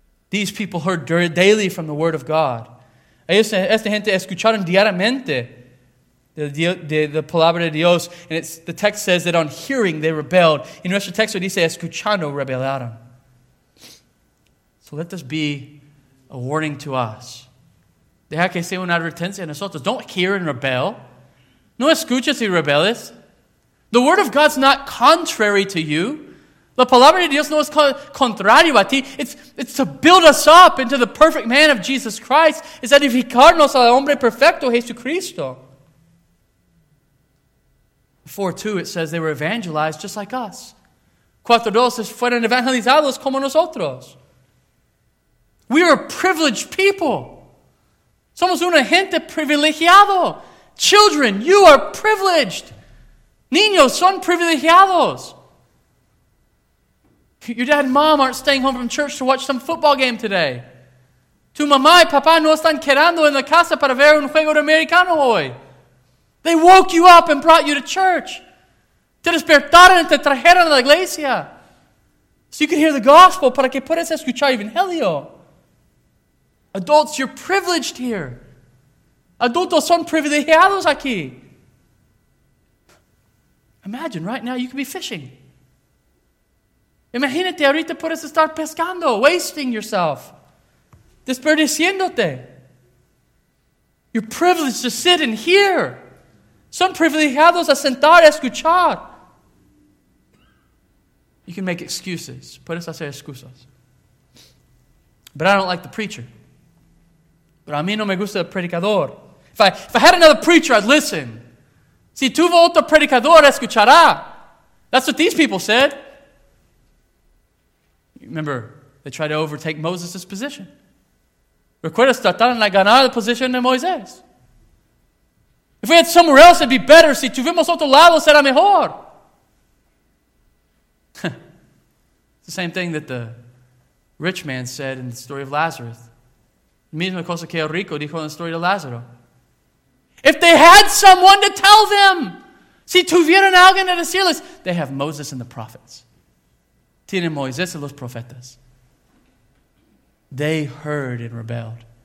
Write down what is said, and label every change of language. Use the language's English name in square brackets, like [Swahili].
[English] These people heard daily from the word of God. [Spanish] Esta gente escucharon diariamente de palabra de Dios. [English] And it's, the text says that on hearing, they rebelled. In [Spanish] nuestro texto dice, escuchando, rebelaron. [English] So let this be a warning to us. [Spanish] Deja que sea una advertencia a nosotros. [English] Don't hear and rebel. [Spanish] No escuches y rebeles. [English] The word of God's not contrary to you. [Spanish] La palabra de Dios no es contrario a ti. [English] It's to build us up into the perfect man of Jesus Christ. [Spanish] Es edificarnos al hombre perfecto, Jesucristo. [English] 4:2, it says they were evangelized just like us. 4:2, [Spanish] fueron evangelizados como nosotros. [English] We are privileged people. [Spanish] Somos una gente privilegiado. [English] Children, you are privileged. [Spanish] Niños son privilegiados. [English] Your dad and mom aren't staying home from church to watch some football game today. [Spanish] Tu mamá y papá no están quedando en la casa para ver un juego de americano hoy. [English] They woke you up and brought you to church. [Spanish] Te despertaron y te trajeron a la iglesia. [English] So you can hear the gospel [Spanish] para que puedas escuchar evangelio. [English] Adults, you're privileged here. [Spanish] Adultos son privilegiados aquí. [English] Imagine right now you could be fishing. [Spanish] Imagínate, ahorita puedes estar pescando, [English] wasting yourself, [Spanish] desperdiciándote. [English] You're privileged to sit and hear. [Spanish] Son privilegiados a sentar y escuchar. [English] You can make excuses. [Spanish] Puedes hacer excusas. [English] But I don't like the preacher. But [Spanish] a mí no me gusta el predicador. [English] If I had another preacher, I'd listen. [Spanish] Si tuvo otro predicador, escuchará. [English] That's what these people said. Remember, they tried to overtake Moses' position. [Spanish] Recuerdas, trataron de ganar la posición de Moisés. [English] If we had somewhere else, it'd be better. [Spanish] Si tuvimos otro lado, será mejor. [English] It's the same thing that the rich man said in the story of Lazarus. [Spanish] Misma cosa que el rico dijo en la [English] story [Spanish] de Lázaro. [English] If they had someone to tell them, [Spanish] si tuvieran alguien a decirles, [English] they have Moses and the prophets. [Spanish] Tienen Moisés y los profetas. [English] They heard and rebelled.